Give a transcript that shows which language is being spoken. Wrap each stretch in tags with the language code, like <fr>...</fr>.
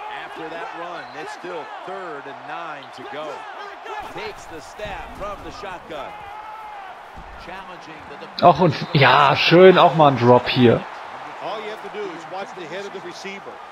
<en>After that run, it's still third and nine to go. Takes the snap from the shotgun. Challenging the defense.</en> <de>Ach, und ja, schön auch mal ein Drop hier.</de> <en>All you have to do is watch the head of the receiver.</en>